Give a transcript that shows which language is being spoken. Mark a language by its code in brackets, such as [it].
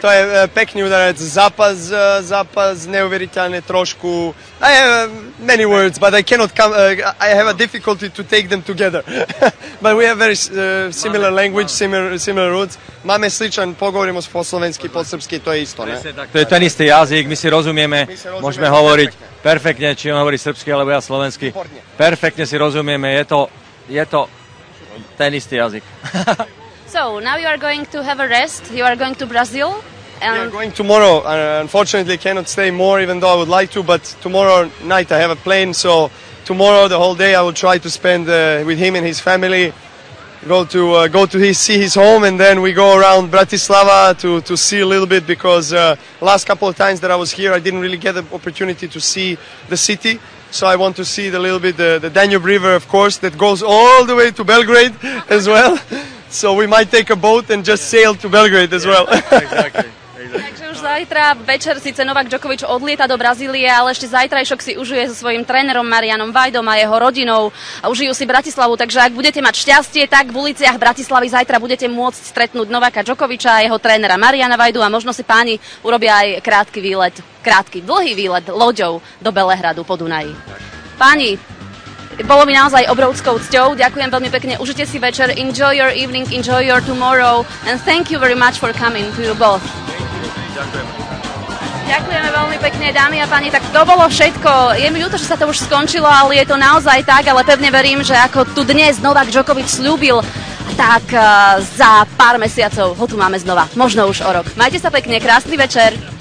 [sk] To je pekný udarec, zápas neuveriteľne trošku. [en] I have many words, but I cannot come. I have a difficulty to take them together. But we have very similar language, similar roots. [sr] Máme sličan, pogovorimo po slovensky, po srpsky, to je isto, ne? [sk] To je ten istý jazyk, my si rozumieme, môžeme hovoriť perfektne, či on hovorí srpsky, alebo ja slovensky. Perfektne si rozumieme, je to ten istý jazyk. [en] So, now you are going to have a rest, you are going to Brazil. And we are going tomorrow. Unfortunately, cannot stay more, even though I would like to, but tomorrow night I have a plane, so tomorrow, the whole day, I will try to spend with him and his family. Go to see his home, and then we go around Bratislava to see a little bit, because last couple of times that I was here, I didn't really get the opportunity to see the city. So I want to see a little bit the Danube River, of course, that goes all the way to Belgrade as well. So we might take a boat and just sail to Belgrade as well. [sk] Takže už zajtra večer síce Novak Djokovic odlieta do Brazílie, ale ešte zajtrajšok si užuje so svojím trénerom Marianom Vajdom a jeho rodinou a užijú si Bratislavu. Takže ak budete mať šťastie, tak v uliciach Bratislavy zajtra budete môcť stretnúť Novaka Djokoviča a jeho trénera Mariana Vajdu a možno si páni urobia aj dlhý výlet loďou do Belehradu po Dunaji. Páni, bolo mi naozaj obrovskou cťou. Ďakujem veľmi pekne. Užite si večer. [en] Enjoy your evening, enjoy your tomorrow. And thank you very much for coming to you both. [sk] Ďakujeme veľmi pekne, dámy a páni. Tak to bolo všetko. Je mi ľúto, že sa to už skončilo, ale je to naozaj tak. Ale pevne verím, že ako tu dnes Novak Djokovic slúbil, tak za pár mesiacov ho tu máme znova. Možno už o rok. Majte sa pekne, krásny večer.